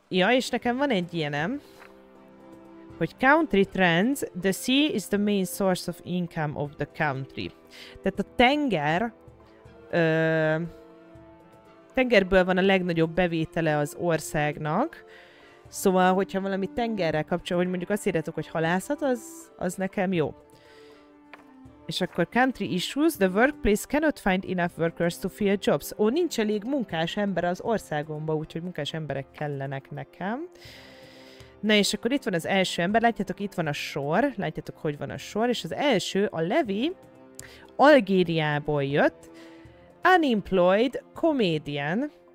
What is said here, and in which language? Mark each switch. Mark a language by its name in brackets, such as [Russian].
[Hungarian] Ja, és nekem van egy ilyenem, hogy [English] country trends, the sea is the main source of income of the country. [Hungarian] Tehát a tenger, tengerből van a legnagyobb bevétele az országnak, szóval, hogyha valami tengerrel kapcsolatban, hogy mondjuk azt írjátok, hogy halászat, az nekem jó. És akkor [English] country issues, the workplace cannot find enough workers to fill jobs. [Hungarian] Ó, nincs elég munkás ember az országomba, úgyhogy munkás emberek kellenek nekem. Na és akkor itt van az első ember, látjátok, itt van a sor, látjátok, hogy van a sor, és az első, a Levi, Algériából jött, [English] unemployed comedian.